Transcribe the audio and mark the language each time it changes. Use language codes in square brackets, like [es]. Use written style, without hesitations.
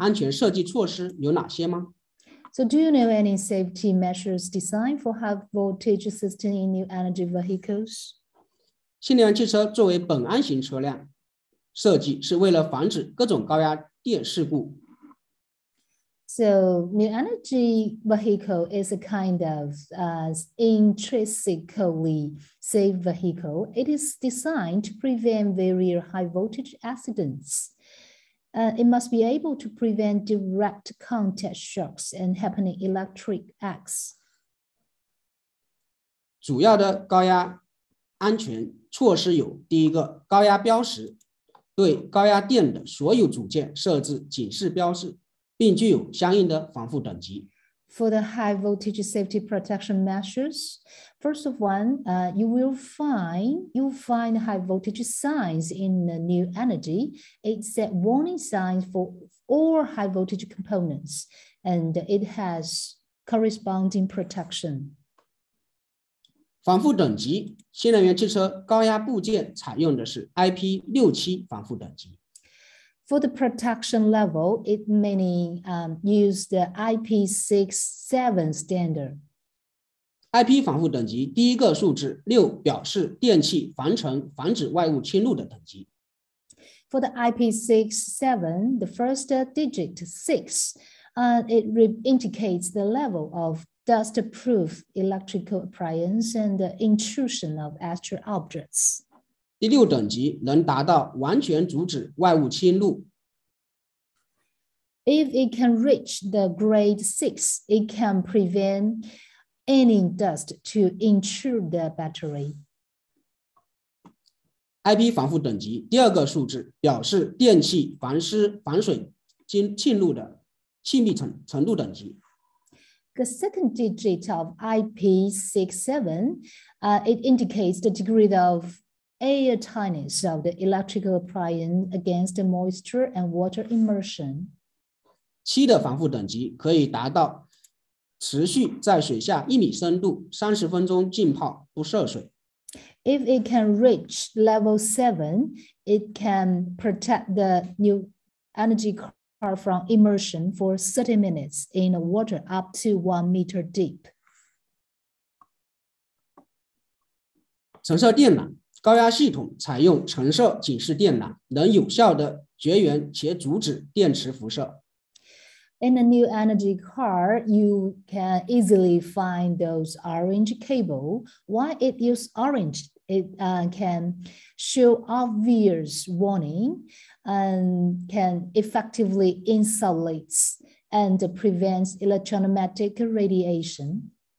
[zh] 那大家知道新能源汽车上高压系统的安全设计措施有哪些吗？ [en] So do you know any safety measures designed for high voltage system in new energy vehicles? [zh] 新能源汽车作为本安型车辆设计是为了防止各种高压电事故。 [en] So new energy vehicle is a kind of intrinsically safe vehicle. It is designed to prevent very high voltage accidents. It must be able to prevent direct contact shocks and happening electric arcs. [zh] 主要的高压安全措施有第一个，高压标识，对高压电的所有组件设置警示标识，并具有相应的防护等级。 [en] For the high voltage safety protection measures, first of one, you will find high voltage signs in the new energy. It set warning signs for all high voltage components, and it has corresponding protection. [zh] 防护等级，新能源汽车高压部件采用的是 IP67 防护等级。 [en] For the protection level, it mainly use the IP67 standard. [zh] IP 防护等级第一个数字六表示电器防尘、防止外物侵入的等级。 [en] For the IP67, the first digit six, it indicates the level of dust-proof electrical appliance and the intrusion of extra objects. [zh] 第六等级能达到完全阻止外物侵入。 [en] If it can reach the grade 6, it can prevent any dust to intrude the battery. [zh] IP 防护等级第二个数字表示电器防湿防水侵入的气密程度等级。 [en] The second digit of IP67, it indicates the degree of airtightness of the electrical appliance against the moisture and water immersion. [zh] 七的防护等级可以达到持续在水下一米深度30分钟浸泡不涉水。 [en] If it can reach level 7, it can protect the new energy car from immersion for 30 minutes in water up to 1 meter deep. [zh] 橙色电缆，高压系统采用橙色警示电缆，能有效的绝缘且阻止电池辐射。 [en] In a new energy car, you can easily find those orange cable. Why it use orange? It can show obvious warning and can effectively insulate and prevent electromagnetic radiation.